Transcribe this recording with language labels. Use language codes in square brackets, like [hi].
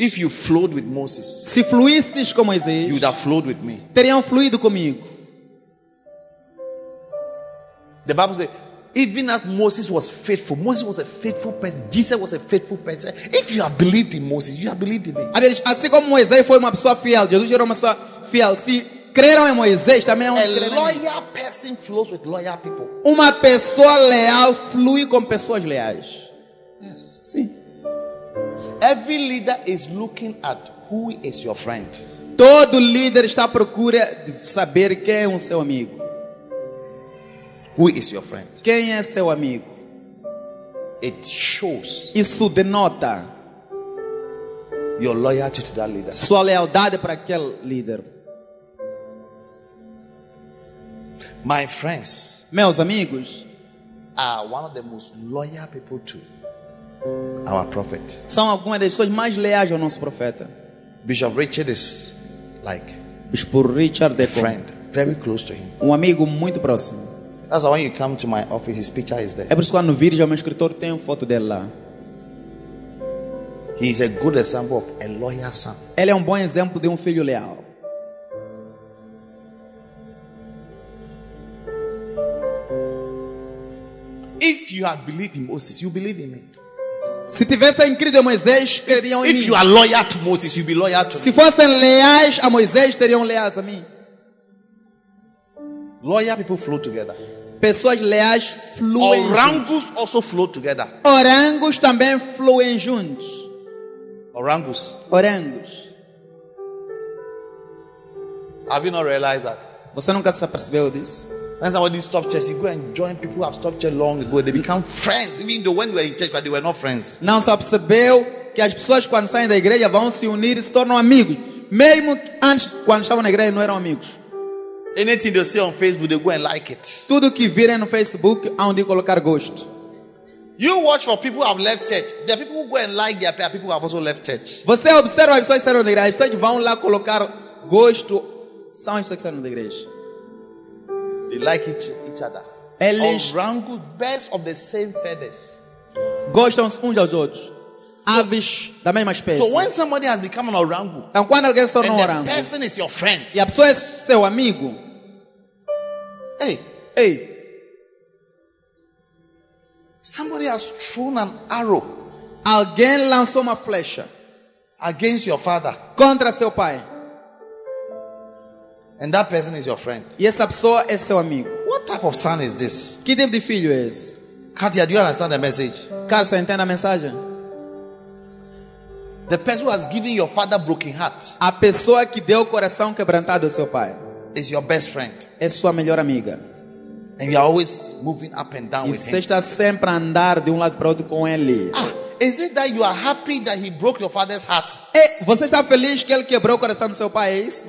[en] if you flowed with Moses, [pt] se fluísse com Moisés, [en] you would have flowed with me. [pt] Teriam fluído comigo. [en] The Bible says, even as Moses was faithful, Moses was a faithful person, Jesus was a faithful person. If you have believed in Moses, you have believed in me. [pt] A Bíblia diz, assim como Moisés foi uma pessoa fiel, Jesus era uma pessoa fiel. Se creram em Moisés, também é um [en] crente. A loyal person flows with loyal people. [pt] Uma pessoa leal flui com pessoas leais. Sim. [en] Every leader is looking at who is your friend. [pt] Todo líder está à procura de saber quem é o seu amigo. [en] Who is your friend? [pt] Quem é seu amigo? [en] it shows [pt] isso denota [en] your loyalty to that leader. [pt] Sua lealdade para aquele líder. [en] My friends, [pt] meus amigos, [en] are one of the most loyal people to our prophet. [pt] São algumas das pessoas mais leais ao nosso profeta. [en] Bishop Richard is like [pt] Bispo Richard [en] a friend, very close to him. [pt] Um amigo muito próximo. [en] That's why when you come to my office, his picture is there. [pt] É por isso que quando vires ao meu escritório tem uma foto dele lá. [en] He is a good example of a loyal son. [pt] Ele é bom exemplo de filho leal. [en] If you had believed in Moses, you believe in me. [pt] Se tivessem crido em Moisés, creriam em mim. [en] If you are loyal to Moses, you'll be loyal to me. [pt] Se fossem leais a Moisés, teriam leais a mim. [en] Loyal people flow together. [pt] Pessoas leais fluem. [en] Orangos also flow together. [pt] Orangos também fluem juntos. [en] Orangos. [pt] Orangos. [en] Have you not realized that? [pt] Você nunca se apercebeu disso? [en] That's how these stop churches. You go and join people who have stopped church long ago. They become friends, even though when they were in church, but they were not friends. [pt] Não se percebeu que as pessoas quando saem da igreja vão se unir e se tornam amigos, mesmo antes quando estavam na igreja não eram amigos. [en] Anything they see on Facebook, they go and like it. [pt] Tudo que virem no Facebook, aonde colocar gosto. [en] You watch for people who have left church. There are people who go and like their pair. People who have also left church. [pt] Você observa as pessoas que saíram da igreja. As pessoas que vão lá colocar gosto são as pessoas que saíram da igreja. [en] They like each other. [pt] Eles [en] rangos, best of the same feathers. [pt] Gostam uns aos outros. Aves da mesma espécie. [en] So when somebody has become an orangu, [pt] então quando alguém se tornou [en] and orangu, the person is your friend, [pt] e a pessoa é seu amigo. Hey, hey. [en] Somebody has thrown an arrow. [pt] Alguém lançou uma flecha [en] against your father. [pt] Contra seu pai. [en] And that person is your friend. [pt] E essa pessoa é seu amigo. [en] What type of son is this? [pt] Que tipo de filho é esse? [en] Katia, do you understand the message? [pt] Katia, entende a mensagem? [en] The person who has given your father broken heart. [pt] A pessoa que deu o coração quebrantado ao seu pai. [en] Is your best friend. [pt] É sua melhor amiga. [en] And you are always moving up and down [pt] e [en] with him. [pt] E você está sempre a andar de lado para outro com ele. [en] Ah, is it that you are happy that he broke your father's heart? [pt] É, você está feliz que ele quebrou o coração do seu pai, é isso?